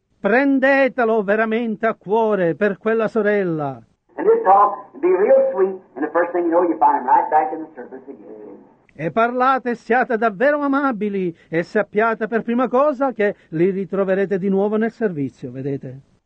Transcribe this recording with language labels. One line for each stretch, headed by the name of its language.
Italian: Prendetelo veramente a cuore per quella sorella.
English: And this talk be real sweet, and the first thing you know you find him right back in the service again.
Italian: E parlate, siate davvero amabili e sappiate per prima cosa che li ritroverete di nuovo nel servizio, vedete?